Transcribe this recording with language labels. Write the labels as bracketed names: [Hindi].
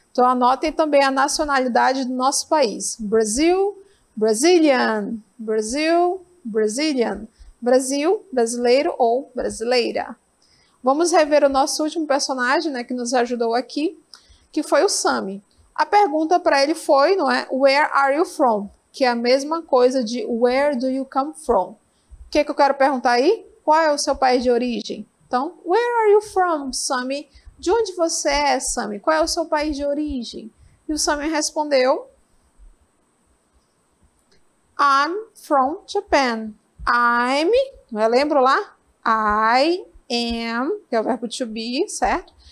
[Portuguese] Então anotem também a nacionalidade do nosso país. Brasil, Brazilian, Brasil, Brazilian, Brasil, brasileiro ou brasileira. Vamos rever o nosso último personagem, né, que nos ajudou aqui, que foi o Sammy. A pergunta para ele foi, não é? [English] Where are you from? [Portuguese] que é a mesma coisa de [English] where do you come from? [Portuguese] O que, que eu quero perguntar aí? Qual é o seu país de origem? Então, [English] where are you from, Sammy? [Portuguese] De onde você é, Sammy? Qual é o seu país de origem? E o Sammy respondeu, [English] I'm from Japan. I'm, [Portuguese] não é, lembro lá? [English] I am, [Portuguese] que é o verbo to be, certo?